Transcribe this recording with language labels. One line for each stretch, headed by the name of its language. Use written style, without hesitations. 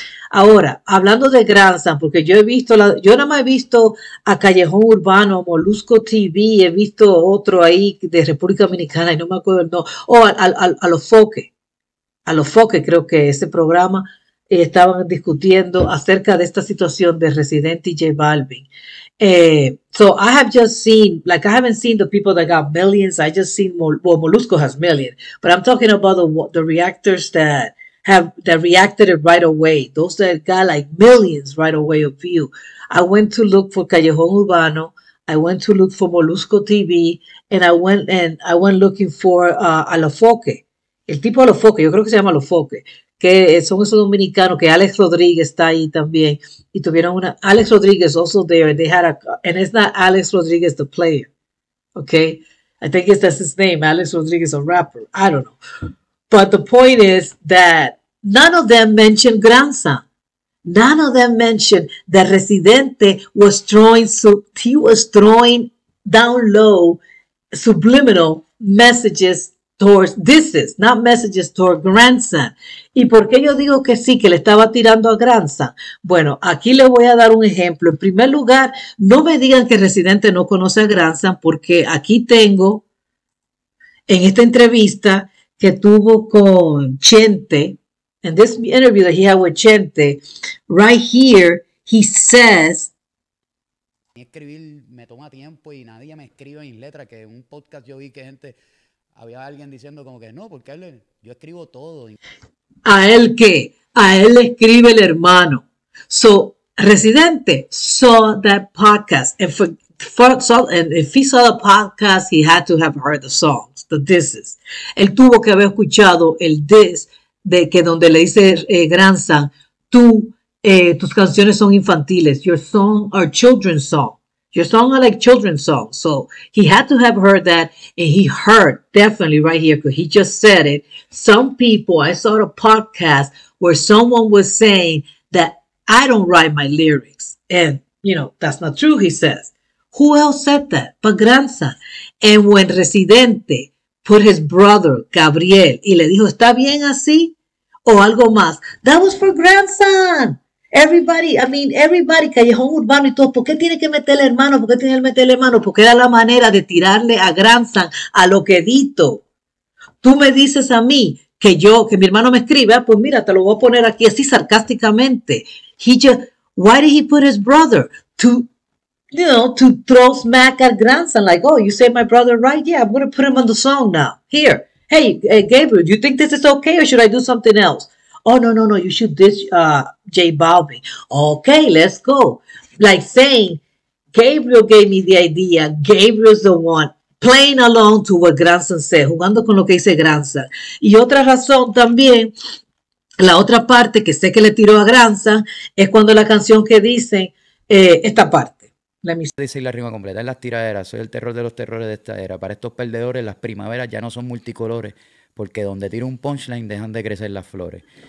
Spanish: Ahora, hablando de Grandson, porque yo he visto, yo nada más he visto a Callejón Urbano, Molusco TV, he visto otro ahí de República Dominicana y no me acuerdo el nombre, o a Los Foques, a Los Foques creo que ese programa. Estaban discutiendo acerca de esta situación de Residente y J Balvin.
English: So I have just seen, like I haven't seen the people that got millions. I just seen, well, Molusco has millions, but I'm talking about the reactors that have that reacted it right away. Those that got like millions right away of view. I went to look for Callejón Urbano. I went to look for Molusco TV, and I went looking for a Los Foques.
Spanish: El tipo a Los Foques, yo creo que se llama Los Foques. Que son esos dominicanos, que Alex Rodríguez está ahí también, y tuvieron una,
English: Alex Rodríguez also there, and they had a, and it's not Alex Rodríguez the player, okay? I think it's, that's his name, Alex Rodríguez a rapper, I don't know. But the point is that none of them mentioned Granza. None of them mentioned that Residente was throwing, so he was throwing down low subliminal messages towards this is not messages toward grandson.
Spanish: ¿Y por qué yo digo que sí, que le estaba tirando a grandson? Bueno, aquí le voy a dar un ejemplo. En primer lugar, no me digan que Residente no conoce a grandson, porque aquí tengo en esta entrevista que tuvo con Chente, en
English: in this interview that he had with Chente, right here, he says.
Spanish: Escribir me toma tiempo y nadie me escribe en letra, que en un podcast yo vi que gente había alguien diciendo como que no, porque él, yo escribo todo. ¿A él qué? A él le escribe el hermano.
English: So, Residente saw that podcast. And for, if he saw the podcast, he had to have heard the songs, the disses.
Spanish: Él tuvo que haber escuchado el diss de que donde le dice Grandson, tus canciones son infantiles.
English: Your song are children's songs. Your song are like children's songs. So he had to have heard that, and he heard definitely right here because he just said it. Some people, I saw a podcast where someone was saying that I don't write my lyrics. And, you know, that's not true, he says. Who else said that? But Granza. And when Residente put his brother, Gabriel,
Spanish: y le dijo, ¿está bien así? O algo más.
English: That was for grandson. Everybody,
Spanish: Callejón Urbano y todo, ¿por qué tiene que meterle hermano? ¿Por qué tiene que meterle hermano? Porque era la manera de tirarle a Grandson a lo que edito. Tú me dices a mí que yo, que mi hermano me escribe, ah, pues mira, te lo voy a poner aquí así sarcásticamente.
English: Why did he put his brother? To throw smack at Grandson, like, oh, you say my brother right? Yeah, I'm going to put him on the song now. Here, hey, Gabriel, do you think this is okay or should I do something else? Oh, no, you should diss J Balvin. Okay, let's go. Like saying, Gabriel gave me the idea. Gabriel's the one playing along to what Grandson said,
Spanish: jugando con lo que dice Grandson. Y otra razón también, la otra parte que sé que le tiró a Grandson, es cuando la canción que dice esta parte. Dice la rima completa, en las tiraderas, soy el terror de los terrores de esta era. Para estos perdedores, las primaveras ya no son multicolores, porque donde tiro un punchline dejan de crecer las flores.